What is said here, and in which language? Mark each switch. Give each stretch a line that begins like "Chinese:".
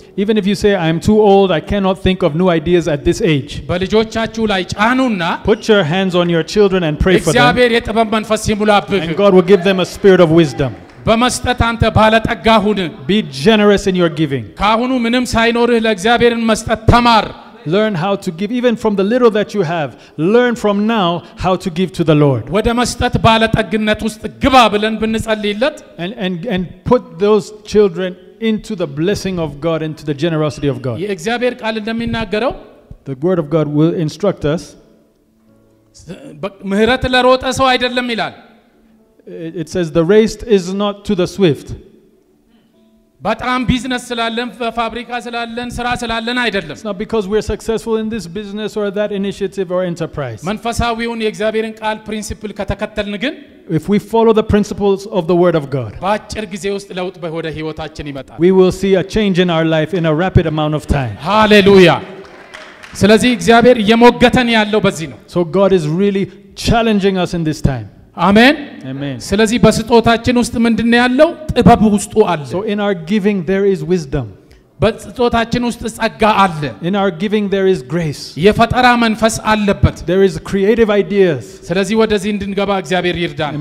English: even if you say I'm too old, I cannot think of new ideas at this age,
Amharic: በልጆቻችሁ ላይ ጫኑና,
English: put your hands on your children and pray for them,
Amharic: እግዚአብሔር የጥበብ መንፈስ ይሙላብህ,
English: and God will give them a spirit of wisdom.
Amharic: በመስጠት አንተ ባለጠጋ ሁን.
English: Be generous in your giving.
Amharic: ካሁኑ ምንም ሳይኖርህ ለእግዚአብሔርን መስጠት ተማር.
English: Learn how to give even from the little that you have. Learn from now how to give to the Lord.
Amharic: ወደ መስጠት ባለጠግነት ውስጥ ግባ ብለን ብንጸልይለት,
English: and put those children into the blessing of God, into the generosity of God.
Amharic: የእግዚአብሔር ቃል እንደሚናገረው,
English: the word of God will instruct us.
Amharic: ምህረት ለሮጠ ሰው አይደለም ይላል.
English: It says the race is not to the swift.
Amharic: በጣም ቢዝነስ ስላለን በፋብሪካ ስላለን ስራ ስላለን አይደለም.
English: It's not because we're successful in this business or that initiative or enterprise.
Amharic: መንፈሳዊውን የእግዚአብሔርን ቃል principle ከተከተልን ግን,
English: if we follow the principles of the word of God,
Amharic: ባጭር ጊዜ ውስጥ ለውጥ በወደ ህይወታችን ይመጣል.
English: We will see a change in our life in a rapid amount of time. Hallelujah.
Amharic: ስለዚህ እግዚአብሔር እየሞገተን ያለው በዚህ ነው.
English: So God is really challenging us in this time.
Amharic: አሜን አሜን. ስለዚህ በስጦታችን ውስጥ ምንድነው ያለው? ጥበብ ውስጥ አለ.
English: So in our giving there is wisdom.
Amharic: በስጦታችን ውስጥ ጸጋ አለ.
English: In our giving there is grace.
Amharic: የፈጠራ መንፈስ አለበት.
English: There is creative ideas.
Amharic: ስለዚህ ወደዚህ እንድንገባ እግዚአብሔር ይርዳን.